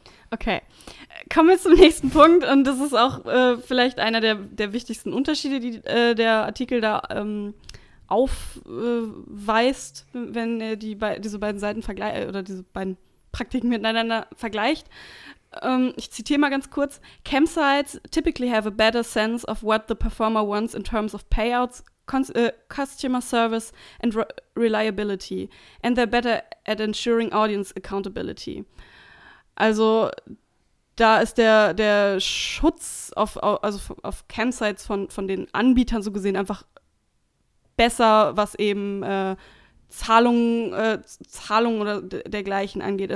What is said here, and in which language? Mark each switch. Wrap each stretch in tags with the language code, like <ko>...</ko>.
<de>Okay, kommen wir zum nächsten Punkt und das ist auch vielleicht einer der wichtigsten Unterschiede, die der Artikel da aufweist, wenn er diese beiden Seiten vergleicht oder diese beiden Praktiken miteinander vergleicht. Ich zitiere mal ganz kurz.</de> <en>Campsites typically have a better sense of what the performer wants in terms of payouts, customer service and reliability. And they're better at ensuring audience accountability.</en> <de>Also da ist der Schutz auf Campsites von den Anbietern so gesehen einfach besser, was eben Zahlungen oder dergleichen angeht.</de>